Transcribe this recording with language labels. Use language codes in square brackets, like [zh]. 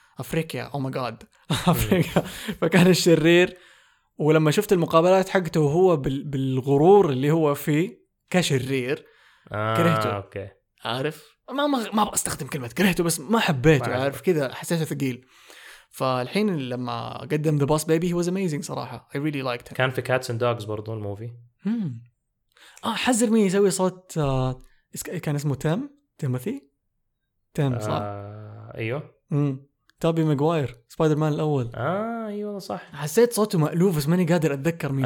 [ar] أفريقيا أو ماي جاد أفريقيا. فكان الشرير، ولما شفت المقابلات حقته هو بالغرور اللي هو فيه كشرير كرهته. أوكي. عارف ما بستخدم كلمة كرهته، بس ما حبيته، عارف كذا حسيته ثقيل. فالحين لما قدم [en] The Boss Baby he was amazing [ar] صراحة، [en] I really liked him. [ar] كان في Cats and Dogs برضو الموفي. حذر مين يسوي صوت كان اسمه تيم تيمثي تيم صح؟ ايوه توبي ماجواير سبايدر مان الاول. اه ايوه صح، حسيت صوته مألوف بس ماني قادر اتذكر مين